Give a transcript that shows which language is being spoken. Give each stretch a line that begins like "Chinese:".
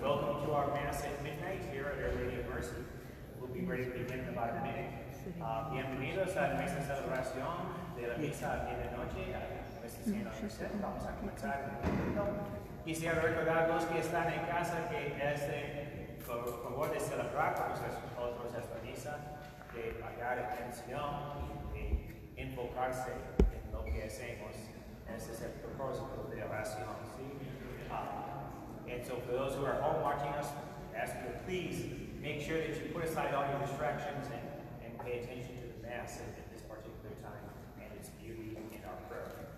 English: Welcome to our Mass at midnight here at Our Lady of Mercy. We'll be ready to begin in about a minute.
Spanish: Bienvenidos a nuestra celebración de la misa de la noche. Vamos a comenzar. Quisiera recordar a los que están en casa que es de favor de celebrar con nosotros esta misa, de pagar atención y de enfocarse en lo que hacemos. Ese es el propósito de oración. ¿Sí?
English: And so for those who are home watching us, ask you, please make sure that you put aside all your distractions and pay attention to the Mass at this particular time and its beauty in our prayer.